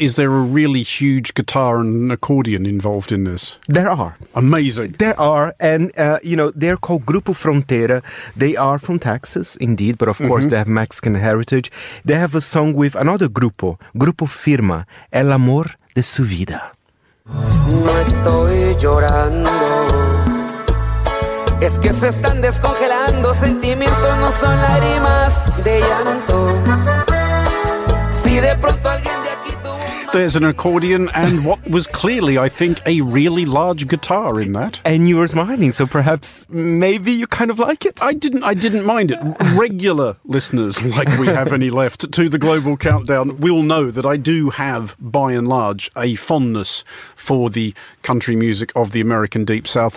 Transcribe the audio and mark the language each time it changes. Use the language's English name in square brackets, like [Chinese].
[English] Is there a really huge guitar and accordion involved in this? There are. Amazing. There are. And, you know, they're called Grupo Frontera. They are from Texas, indeed, but of course they have Mexican heritage. They have a song with another Grupo Firma, El Amor de Su Vida. [Spanish] No estoy llorando, es que se están descongelando sentimientos, no son lágrimas de llanto. Si de pronto alguien de aquí tuvo... [English] There's an accordion and what was clearly, I think, a really large guitar in that. And you were smiling, so perhaps maybe you kind of like it? I didn't mind it. Regular listeners, like we have any left, to the Global Countdown will know that I do have, by and large, a fondness for the country music of the American Deep South.